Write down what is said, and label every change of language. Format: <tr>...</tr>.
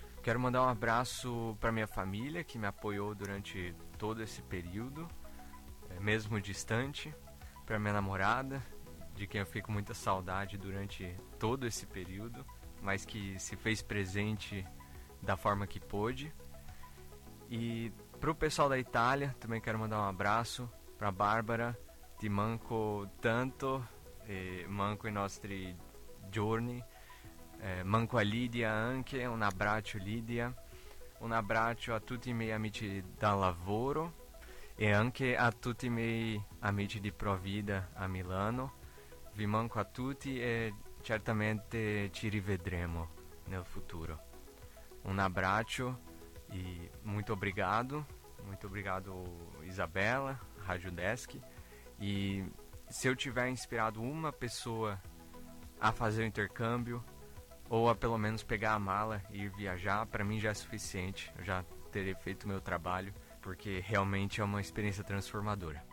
<pt>Quero mandar um abraço para minha família, que me apoiou durante todo esse período, mesmo distante, para minha namorada, de quem eu fico muita saudade durante todo esse período, mas que se fez presente da forma que pôde. E pro pessoal da Itália, também quero mandar um abraço pra Bárbara,</pt> <it>ti manco tanto, e manco i nostri giorni, manco a Lidia anche, un abbraccio Lidia, un abbraccio a tutti i miei amici da lavoro e anche a tutti i miei amici di Provida a Milano. Vi manco a tutti e certamente ci rivedremo nel futuro. Un abbraccio e molto obrigado.</it> <pt>Muito obrigado, Isabela, Rádio Desk. E se eu tiver inspirado uma pessoa a fazer o intercâmbio, ou a pelo menos pegar a mala e ir viajar, para mim já é suficiente. Eu já terei feito o meu trabalho, porque realmente é uma experiência transformadora.</pt>